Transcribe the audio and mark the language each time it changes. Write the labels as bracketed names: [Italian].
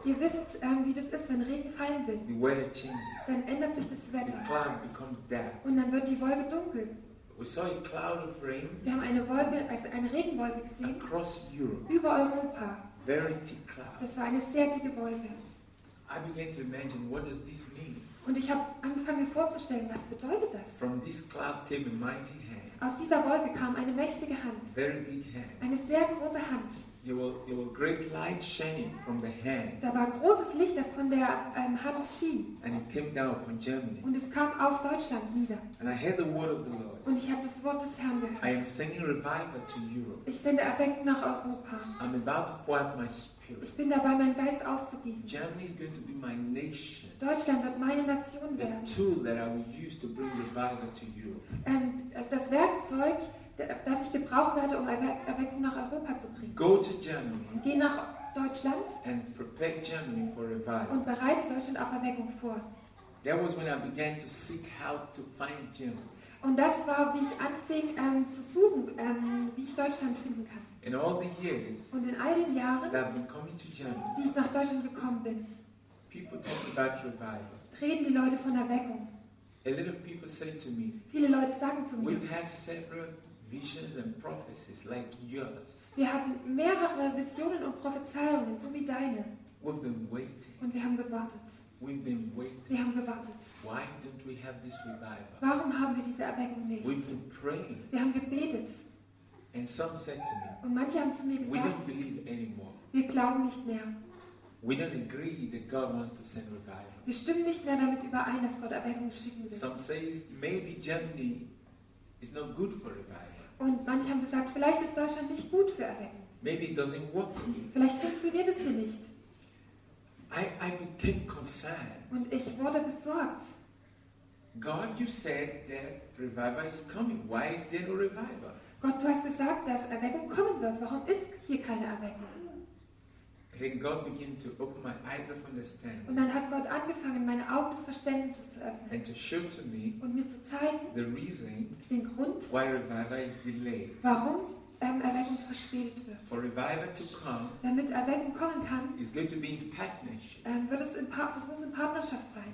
[German] ihr wisst, wie das ist, wenn Regen fallen will. [English] The weather changes. [German] Dann ändert sich das Wetter. [English] The cloud becomes dark. [German] Und dann wird die Wolke dunkel. [English] We saw a cloud of rain. [German] Wir haben eine Wolke, also eine Regenwolke gesehen. [English] Across Europe. [German] Über Europa. [English] Very thick cloud. [German] Das war eine sehr dicke Wolke. [English] I began to imagine, what does this mean? [German] Und ich habe angefangen, mir vorzustellen, was bedeutet das? [English] From this cloud came a mighty hand. [German] Aus dieser Wolke kam eine mächtige Hand. [English] Very big hand. [German] Eine sehr große Hand. [English] There were great light shining from the hand. [German] Da war großes Licht, das von der Hand schien. [English] And it came down upon Germany. [German] Und es kam auf Deutschland nieder. [English] And I heard the word of the Lord. [German] Und ich habe das Wort des Herrn gehört. [English] I am sending revival to Europe. [German] Ich sende Erweckung nach Europa. [English] I'm about to pour out my spirit. [German] Ich bin dabei, meinen Geist auszugießen. [English] Germany is going to be my nation. [German] Deutschland wird meine Nation werden. [English] Tool that I will use to bring revival to Europe. [German] Das Werkzeug, dass ich gebraucht werde, um Erweckung nach Europa zu bringen. [English] Go to Germany. [German] Geh nach Deutschland. [English] And prepare Germany for revival. [German] Und bereite Deutschland auf Erweckung vor. [English] That was when I began to seek help to find Germany. [German] Und das war, wie ich anfing zu suchen, wie ich Deutschland finden kann. [English] In all the years, [German] und in all den Jahren, [English] that I've been coming to Germany, [German] die ich nach Deutschland gekommen bin, [English] people talk about revival. [German] Reden die Leute von Erweckung. [English] A lot of people say to me, [German] viele Leute sagen zu mir, [English] we've had several visions and prophecies like yours. [German] Wir hatten mehrere Visionen und Prophezeiungen, so wie deine. [English] We've been waiting. [German] Und wir haben gewartet. [English] We've been waiting. [German] Wir haben gewartet. [English] Why don't we have this revival? [German] Warum haben wir diese Erweckung nicht? [English] We've been praying. [German] Wir haben gebetet. [English] And some said to me, [German] und manche haben zu mir gesagt, [English] we don't believe anymore. [German] Wir glauben nicht mehr. [English] We don't agree that God wants to send revival. [German] Wir stimmen nicht mehr damit überein, dass Gott Erweckung schicken will. [English] Some says maybe Germany is not good for revival. [German] Und manche haben gesagt, vielleicht ist Deutschland nicht gut für Erweckung. [English] Maybe it doesn't work here. [German] Vielleicht funktioniert es hier nicht. [English] I became concerned. [German] Und ich wurde besorgt. [English] God, you said that revival is coming. Why is there no revival? [German] Gott, du hast gesagt, dass Erweckung kommen wird. Warum ist hier keine Erweckung? [English] Then God began to open my eyes of understanding. [German] Und dann hat Gott angefangen, meine Augen des Verständnisses zu öffnen. [English] And to show to me, [German] und mir zu zeigen, [English] the reason, [German] den Grund, [English] why revival is delayed. [German] Warum Erweckung verspätet wird. [English] For revival to come, [German] damit Erweckung kommen kann, [English] is going to be in partnership. [German] Wird es in das muss in Partnerschaft sein.